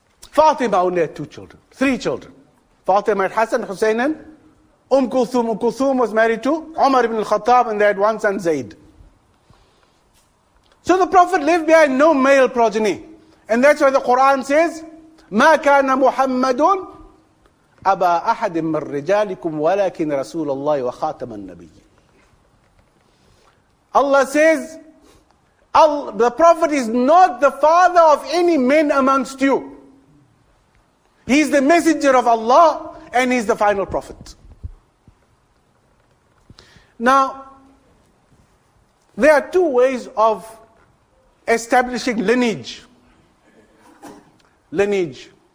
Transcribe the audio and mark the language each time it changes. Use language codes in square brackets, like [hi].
[en] Fatima only had 2 children. 3 children. Fatima had Hassan, Hussein, and Kulthum. Kulthum was married to Umar ibn al-Khattab and they had 1 son, Zaid. So the Prophet left behind no male progeny. And that's why the Quran says, [ar] مَا كَانَ مُحَمَّدٌ أَبَا أَحَدٍ مِّن رِجَالِكُمْ وَلَكِنْ رَسُولَ اللَّهِ وَخَاتَمَ النَّبِيِّ. [en] Allah says, the Prophet is not the father of any men amongst you. He is the messenger of Allah and he's the final Prophet. Now, there are 2 ways of establishing lineage. Lineage.